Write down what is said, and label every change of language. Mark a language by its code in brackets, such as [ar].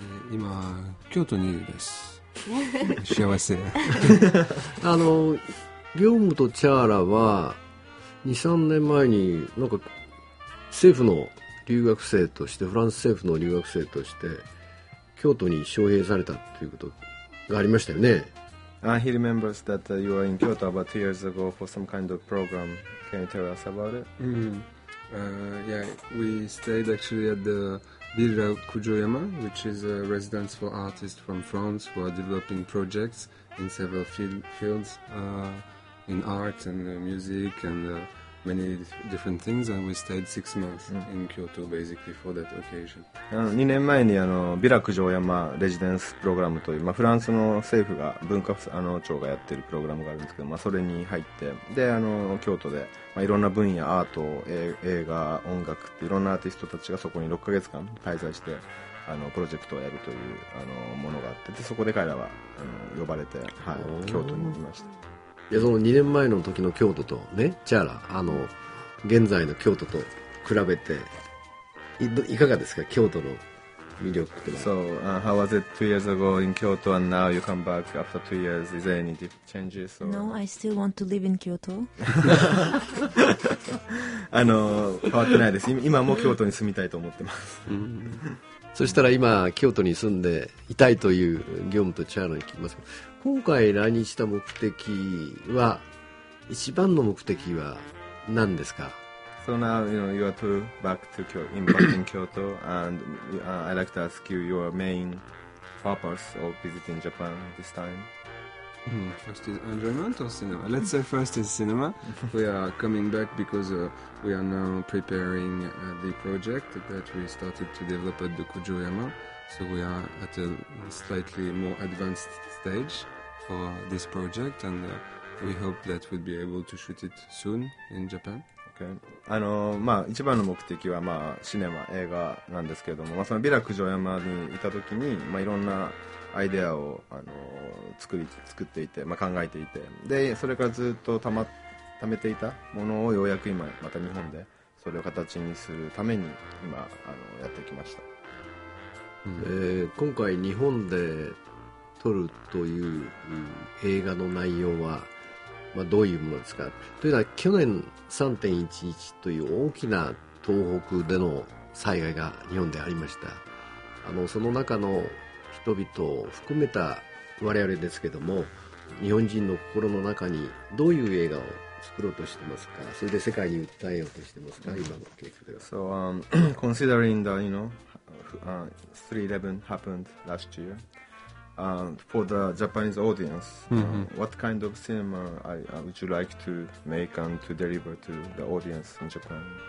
[ja] 今京都にいるです。幸せ。ギョームとチャーラーは 2,3 年前になんか政府の留学生として、フランス政府の留学生として京都に招聘されたということがありましたよね。 [en] He remembers that you were in Kyoto about 2 years ago for some kind of program. Can you tell us about it? Mm-hmm. Yeah, we stayed actually at the Villa Kujoyama, which is a residence for artists from France who are developing projects in several fields, in art and music and many different things, and we stayed 6 months in Kyoto basically for that occasion. [ja] 2年前にビラ九条山レジデンスプログラムという、まあ、フランスの政府が文化庁がやっているプログラムがあるんですけど、まあ、それに入って、で京都で、まあ、いろんな分野、アート、映画、音楽っていろんなアーティストたちがそこに6ヶ月間滞在してプロジェクトをやるというものがあって、でそこで彼らは呼ばれて、はい、京都に来ました。いや、その2年前の時の京都とね、チャーラ、現在の京都と比べて、いかがですか、京都の [en] So, how was it 2 years ago in Kyoto and now you come back after 2 years? Is there any changes? Or... No, I still want to live in Kyoto. [ja] あの、変わってないです。今も京都に住みたいと思ってます。そしたら今京都に住んでいたいというギョームとチャーロに聞きますけど、今回来日した目的は、一番の目的は何ですか？ [en] So now you know you are to back to in Kyoto, and I like to ask you your main purpose of visiting Japan this time. First is enjoyment or cinema? Let's say first is cinema. We are coming back because we are now preparing the project that we started to develop at the Kujoyama. So we are at a slightly more advanced stage for this project, and we hope that we'll be able to shoot it soon in Japan. Okay. [ja] あのまあ、一番の目的は、まあ、シネマ映画なんですけれども、まあ、そのビラ九条山にいた時に、まあ、いろんなアイデアをあの 作っていて、まあ、考えていて、でそれからずっと溜めていたものをようやく今また日本でそれを形にするために今あのやってきました、今回日本で撮るという、映画の内容はまあ、どういうものですか。というのは去年 3.11 という大きな東北での災害が日本でありました。あのその中の人々を含めた我々ですけども、日本人の心の中にどういう映画を作ろうとしてますか。それで世界に訴えようとしてますか。今のケースでは。 [en] So, considering the, you know, 3/11 happened last year. For the Japanese audience, what kind of cinema would you like to make and to deliver to the audience in Japan?